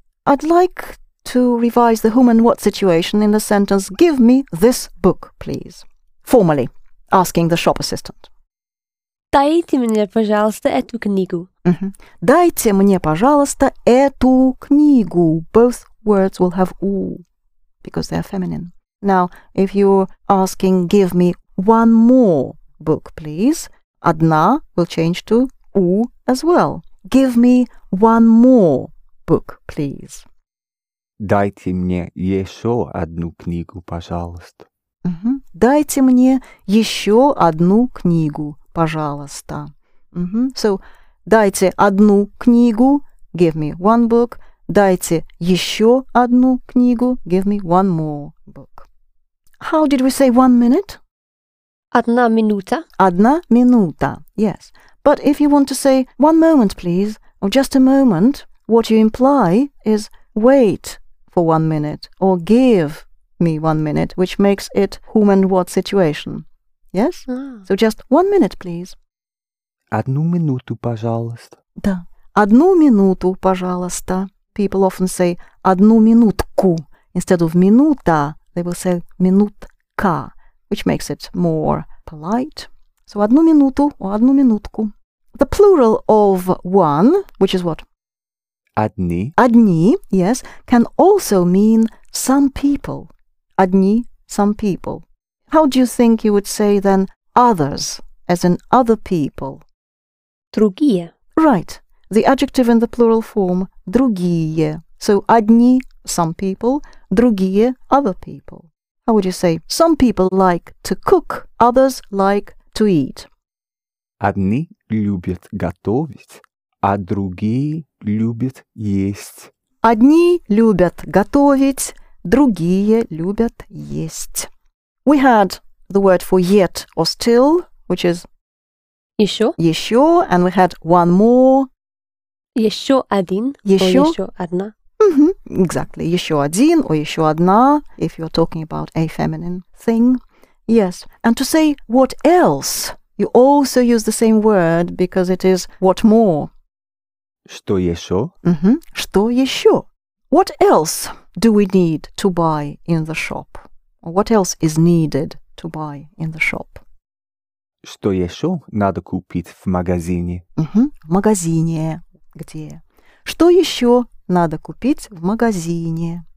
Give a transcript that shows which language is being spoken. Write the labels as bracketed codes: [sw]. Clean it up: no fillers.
[en] I'd like to revise the whom and what situation in the sentence, give me this book, please. Formally, asking the shop assistant. [ru] Дайте мне, пожалуйста, эту книгу. Mm-hmm. Дайте мне, пожалуйста, эту книгу. [en] Both words will have у, because they are feminine. Now, if you're asking, give me one more book, please, одна will change to у as well. Give me one more book, please. [ru] Дайте мне еще одну книгу, пожалуйста. Mm-hmm. Дайте мне еще одну книгу, пожалуйста. [en] Mm-hmm. So, [ru] дайте одну книгу, [en] give me one book. [ru] Дайте еще одну книгу, [en] give me one more book. How did we say 1 minute? [ru] Одна минута. Одна минута, [en] yes. But if you want to say 1 moment, please, or just a moment, what you imply is wait for 1 minute or give me 1 minute, which makes it whom and what situation. Yes? Mm. So just 1 minute, please. [ru] Одну минуту, пожалуйста. Да. Одну минуту, пожалуйста. [en] People often say [ru] одну минутку. [en] Instead of минута, they will say минутка, which makes it more polite. [ru] So одну минуту or одну минутку. [en] The plural of one, which is what? [ru] Одни. [en] Одни, yes, can also mean some people. Одни, some people. How do you think you would say then others, as in other people? Другие. Right. The adjective in the plural form, другие. So, одни, some people, другие, other people. How would you say, some people like to cook, others like to eat? [ru] Одни любят готовить, а другие любят есть. Одни любят готовить, другие любят есть. [en] We had the word for yet or still, which is [ru] еще. [en] Еще, and we had one more. [ru] Еще один, еще. Or еще одна. [en] Mm-hmm, exactly, [ru] еще один [en] or [ru] еще одна, [en] if you're talking about a feminine thing. Yes, and to say what else, you also use the same word because it is what more. [ru] Что еще? Mm-hmm. Что еще? [en] What else do we need to buy in the shop? Or what else is needed to buy in the shop? [ru] Что еще надо купить в магазине? Mm-hmm. В магазине. Где? Что еще надо купить в магазине?